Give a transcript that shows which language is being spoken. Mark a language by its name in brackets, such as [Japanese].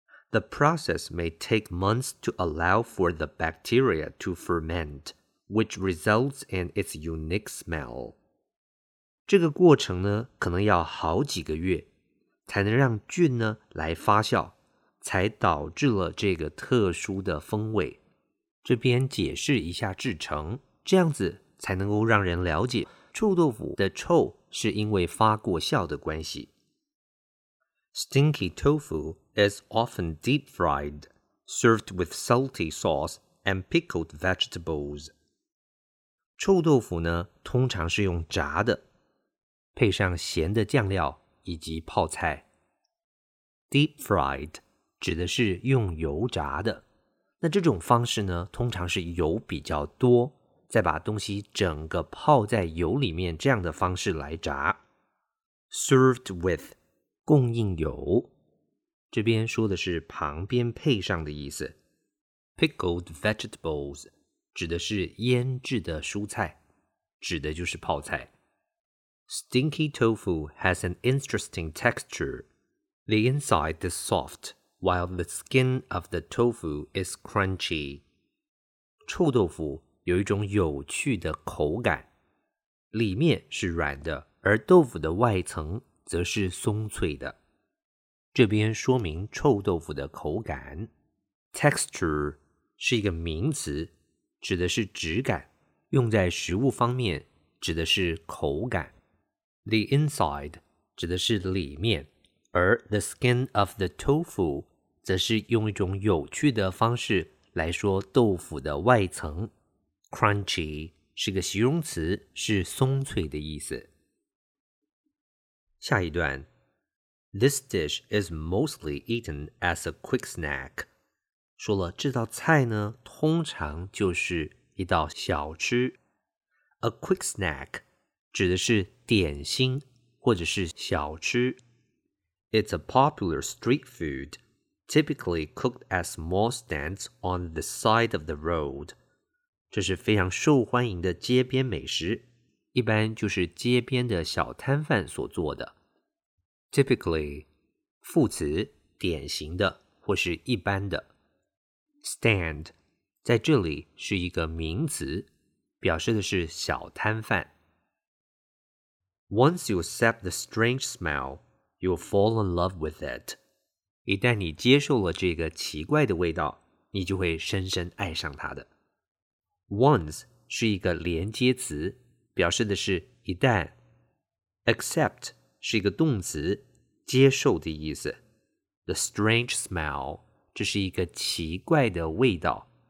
[English] The process may take months to allow for the bacteria to ferment. Which results in its unique smell. [Chinese] 这个过程呢，可能要好几个月，才能让菌呢来发酵，才导致了这个特殊的风味。这边解释一下制程，这样子才能够让人了解臭豆腐的臭是因为发过酵的关系。 [English] Stinky tofu is often deep-fried, served with salty sauce and pickled vegetables. [Chinese] 臭豆腐呢，通常是用炸的，配上咸的酱料以及泡菜。 Deep fried 指的是用油炸的。那这种方式呢，通常是油比较多，再把东西整个泡在油里面这样的方式来炸。 [English] Served with [Chinese] 供应油，这边说的是旁边配上的意思。 [English] Pickled vegetables. [Chinese] 指的是腌制的蔬菜，指的就是泡菜。 [English] Stinky tofu has an interesting texture. The inside is soft, while the skin of the tofu is crunchy. [Chinese] 臭豆腐有一种有趣的口感，里面是软的，而豆腐的外层则是松脆的。这边说明臭豆腐的口感。 texture 是一个名词，指的是质感，用在食物方面指的是口感。 [English] the inside [Chinese] 指的是里面，而 [English] the skin of the tofu [Chinese] 则是用一种有趣的方式来说豆腐的外层。 crunchy 是个形容词，是松脆的意思。下一段， [English] This dish is mostly eaten as a quick snack. [Chinese] 说了这道菜呢，通常就是一道小吃。 [English] A quick snack [Chinese] 指的是点心或者是小吃。 [English] It's a popular street food, typically cooked at small stands on the side of the road. [Chinese] 这是非常受欢迎的街边美食，一般就是街边的小摊贩所做的。 Typically, 副词，典型的或是一般的。 Stand, 在这里是一个名词，表示的是小摊贩。 [English] Once you accept the strange smell, you'll fall in love with it. [Chinese] 一旦你接受了这个奇怪的味道，你就会深深爱上它的。 Once 是一个连接词，表示的是一旦。 Accept 是一个动词，接受的意思。 [English] The strange smell, [Chinese] 这是一个奇怪的味道。